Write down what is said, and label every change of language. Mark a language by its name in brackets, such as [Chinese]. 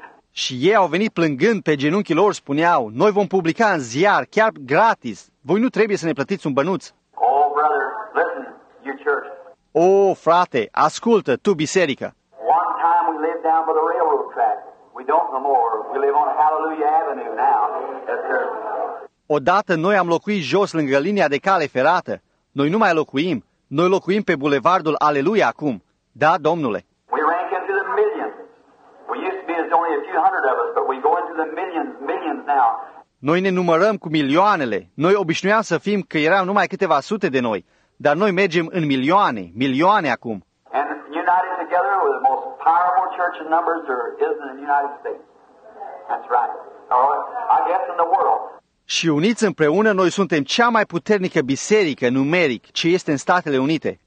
[Romanian] Și ei au venit plângând pe genunchii lor, spuneau, noi vom publica în ziar, chiar gratis, voi nu trebuie să ne plătiți un bănuț. [English] Oh, brother, listen, your church. [Romanian] Oh, frate, ascultă, tu, biserică. [English] One time we lived down by the railroad track. We don't no more. We live on Hallelujah Avenue now. Yes, sir. [Romanian] Odată noi am locuit jos lângă linia de cale ferată. Noi nu mai locuim. Noi locuim pe bulevardul Aleluia acum. Da, domnule. [English] We rank into the millions. We used to be as only a few hundred of us, but we go into the millions now. [Romanian] Noi ne numărăm cu milioanele. Noi obișnuiam să fim că eram numai câteva sute de noi, dar noi mergem în milioane acum. [English] And you and I united together with the most powerful church in numbers there is in the United States. That's right. All right. I guess in the world. [Romanian] Și uniți împreună, noi suntem cea mai puternică biserică numeric ce este în Statele Unite.